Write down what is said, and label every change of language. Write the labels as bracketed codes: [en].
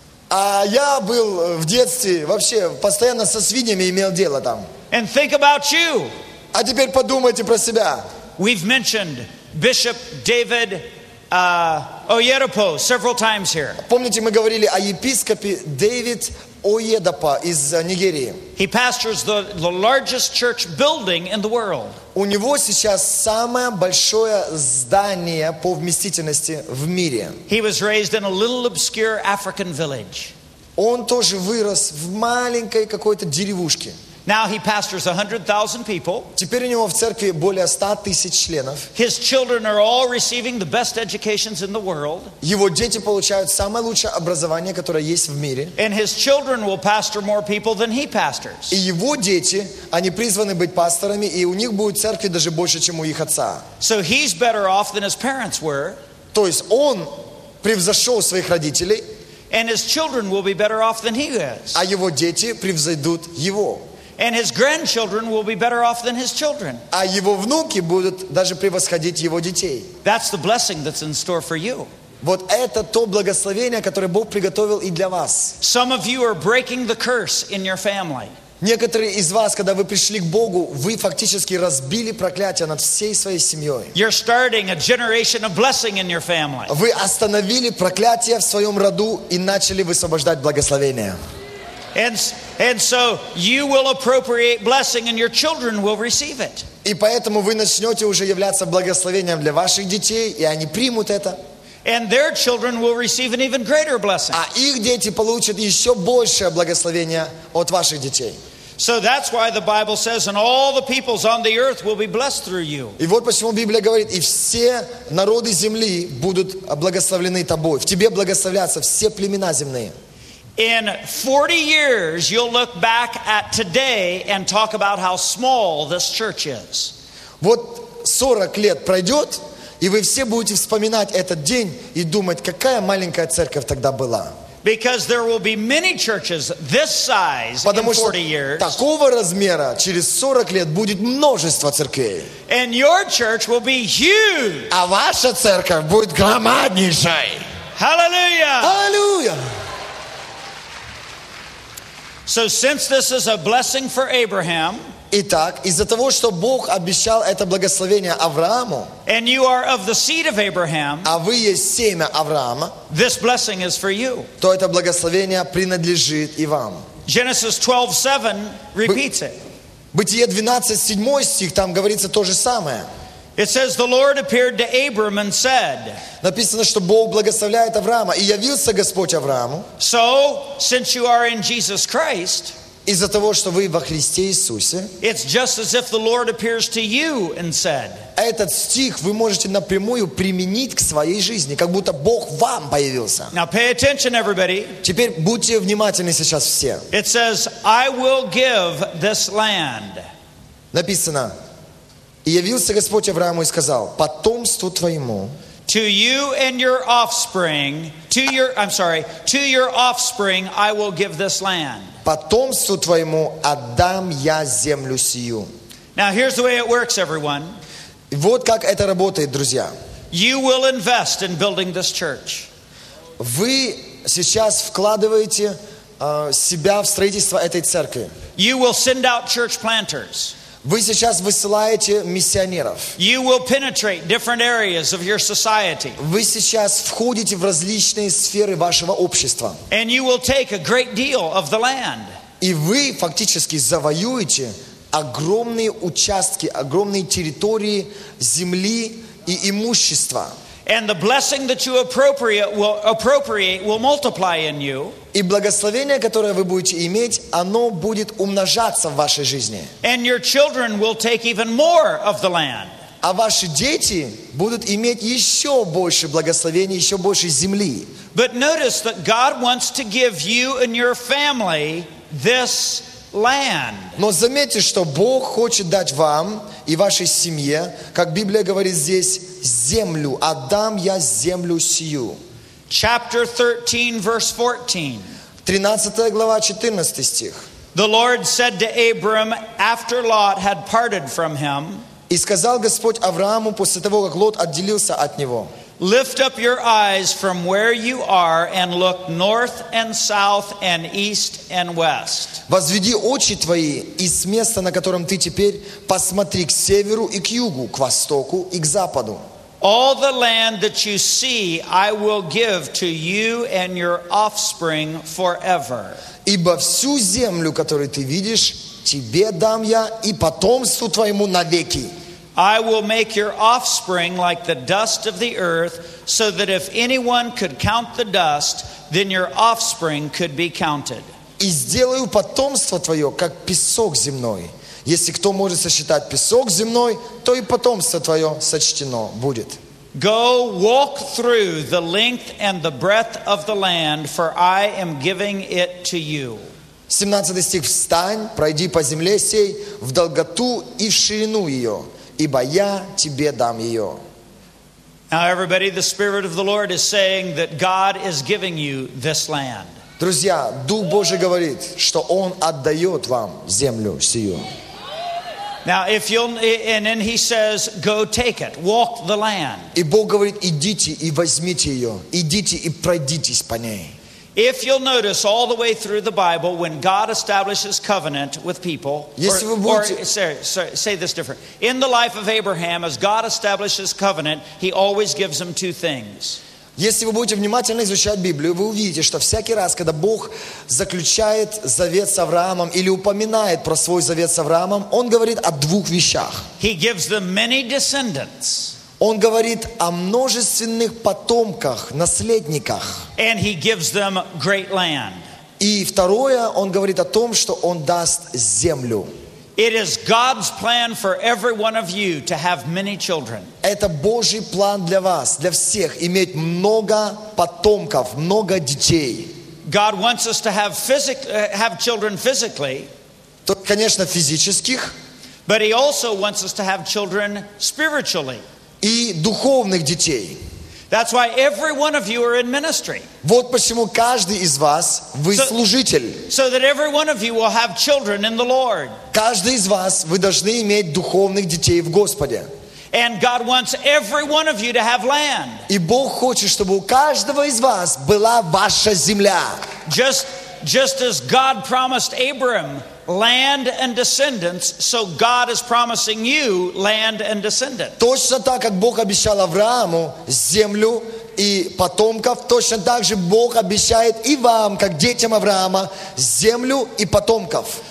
[ru] А я был в детстве вообще постоянно со свиньями имел дело там. [en] And think about you. [ru] А теперь подумайте про себя. [en] We've mentioned Bishop David Oyedepo several times here. [ru] Помните, мы говорили о епископе Дэвид Оедапа из Нигерии. [en] He pastors the largest church building in the world. [ru] У него сейчас самое большое здание по вместительности в мире. [en] He was raised in a little obscure African village. [ru] Он тоже вырос в маленькой какой-то деревушке. [en] Now he pastors 100,000 people. [ru] Теперь у него в церкви более 100 тысяч членов. [en] His children are all receiving the best educations in the world. [ru] Его дети получают самое лучшее образование, которое есть в мире. [en] And his children will pastor more people than he pastors. [ru] И его дети, они призваны быть пасторами, и у них будет церкви даже больше, чем у их отца. [en] So he's better off than his parents were. [ru] То есть он превзошел своих родителей. [en] And his children will be better off than he is. [ru] А его дети превзойдут его. [en] And his grandchildren will be better off than his children. [ru] А его внуки будут даже превосходить его детей. [en] That's the blessing that's in store for you. [ru] Вот это то благословение, которое Бог приготовил и для вас. [en] Some of you are breaking the curse in your family. [ru] Некоторые из вас, когда вы пришли к Богу, вы фактически разбили проклятие над всей своей семьей. [en] You're starting a generation of blessing in your family. [ru] Вы остановили проклятие в своем роду и начали высвобождать благословение. [en] And so you will appropriate blessing, and your children will receive it. [ru] И поэтому вы начнете уже являться благословением для ваших детей, и они примут это. [en] And their children will receive an even greater blessing. [ru] А их дети получат еще большее благословение от ваших детей. [en] So that's why the Bible says, and all the peoples on the earth will be blessed through you. [ru] И вот почему Библия говорит, и все народы земли будут благословлены тобой. В тебе благословлятся все племена земные. [en] In 40 years, you'll look back at today and talk about how small this church is. [ru] Вот 40 лет пройдет, и вы все будете вспоминать этот день и думать, какая маленькая церковь тогда была. [en] Because there will be many churches this size in 40 years. [ru] Такого размера через 40 лет будет множество церквей. [en] And your church will be huge. [ru] А ваша церковь будет громаднейшей. [en] Hallelujah! Hallelujah! So since this is a blessing for Abraham, [ru] итак, из-за того, что Бог обещал это благословение Аврааму, [en] and you are of the seed of Abraham, [ru] а вы есть семя Авраама, [en] this blessing is for you. [ru] То это благословение принадлежит и вам. [en] Genesis 12:7 repeats it. [ru] Бытие 12:7 стих там говорится то же самое. [en] It says the Lord appeared to Abram and said. [ru] Написано, что Бог благословляет Авраама, и явился Господь Аврааму. [en] So, since you are in Jesus Christ, [ru] из-за того, что вы во Христе Иисусе. [en] It's just as if the Lord appears to you and said. [ru] Этот стих вы можете напрямую применить к своей жизни, как будто Бог вам появился. [en] Now pay attention, everybody. [ru] Теперь будьте внимательны сейчас все. [en] It says, I will give this land. [ru] Написано. И явился Господь Аврааму и сказал: потомству твоему. [en] To you and your offspring, to your offspring, I will give this land. [ru] Потомству твоему отдам я землю сию. [en] Now here's the way it works, everyone. [ru] Вот как это работает, друзья. [en] You will invest in building this church. [ru] Вы сейчас вкладываете себя в строительство этой церкви. [en] You will send out church planters. [ru] Вы сейчас высылаете миссионеров. [en] You will penetrate different areas of your society. [ru] Вы сейчас входите в различные сферы вашего общества. [en] And you will take a great deal of the land. [ru] И вы фактически завоюете огромные участки, огромные территории, земли и имущества. [en] And the blessing that you appropriate will multiply in you. [ru] И благословение, которое вы будете иметь, оно будет умножаться в вашей жизни. [en] And your children will take even more of the land. [ru] А ваши дети будут иметь еще больше благословений, еще больше земли. [en] But notice that God wants to give you and your family this land. [ru] Но заметьте, что Бог хочет дать вам и вашей семье, как Библия говорит здесь, землю. Отдам я землю сию. [en] Chapter 13, verse 14. [ru] 13 глава, 14 стих. [en] The Lord said to Abram after Lot had parted from him. [ru] И сказал Господь Аврааму после того, как Лот отделился от него. [en] Lift up your eyes from where you are and look north and south and east and west. [ru] Возведи очи твои из места, на котором ты теперь, посмотри к северу и к югу, к востоку и к западу. [en] All the land that you see, I will give to you and your offspring forever. [ru] Ибо всю землю, которую ты видишь, тебе дам я и потомству твоему навеки. [en] I will make your offspring like the dust of the earth, so that if anyone could count the dust, then your offspring could be counted. [ru] И сделаю потомство твое как песок земной. Если кто может сосчитать песок земной, то и потомство твое сочтено будет. [en] Go walk through the length and the breadth of the land, for I am giving it to you. [ru] 17 стих. Встань, пройди по земле сей в долготу и в ширину ее, ибо я тебе дам ее. [en] Now everybody, the Spirit of the Lord is saying that God is giving you this land. [ru] Друзья, Дух Божий говорит, что Он отдает вам землю сию. [en] Now, if you'll, and then he says, go take it, walk the land. [ru] И Бог говорит, идите и возьмите ее, идите и пройдитесь по ней. [en] If you'll notice all the way through the Bible, when God establishes covenant with people, in the life of Abraham, as God establishes covenant, he always gives them two things. [ru] Если вы будете внимательно изучать Библию, вы увидите, что всякий раз, когда Бог заключает завет с Авраамом или упоминает про свой завет с Авраамом, Он говорит о двух вещах. [en] He gives them many descendants. [ru] Он говорит о множественных потомках, наследниках. [en] And he gives them great land. [ru] И второе, Он говорит о том, что Он даст землю. [en] It is God's plan for every one of you to have many children. [ru] Это Божий план для вас, для всех, иметь много потомков, много детей. [en] God wants us to have children physically. [ru] То, конечно, физических. [en] But he also wants us to have children spiritually. [ru] И духовных детей. [en] That's why every one of you are in ministry. [ru] Вот почему каждый из вас вы служитель. [en] So that every one of you will have children in the Lord. [ru] Каждый из вас вы должны иметь духовных детей в Господе. [en] And God wants every one of you to have land. [ru] И Бог хочет, чтобы у каждого из вас была ваша земля. [en] Just as God promised Abram land and descendants, so God is promising you land and descendants. [ru] Точно так, как Бог обещал Аврааму землю и потомков, точно так же Бог обещает и вам, как детям Авраама, землю и потомков.